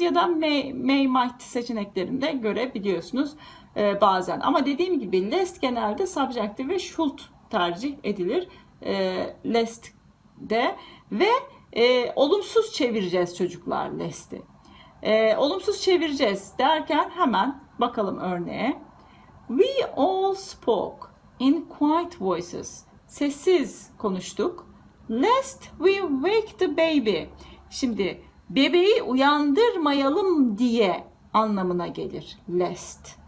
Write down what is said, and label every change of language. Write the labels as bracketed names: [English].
[Turkish] Ya da may might seçeneklerinde görebiliyorsunuz bazen. Ama dediğim gibi lest genelde subjective ve should tercih edilir. Lest de. Ve olumsuz çevireceğiz çocuklar lest'i. Olumsuz çevireceğiz derken hemen bakalım örneğe. [English] We all spoke in quiet voices. [Turkish] Sessiz konuştuk. [English] Lest we wake the baby. [Turkish] Şimdi bebeği uyandırmayalım diye anlamına gelir. Lest.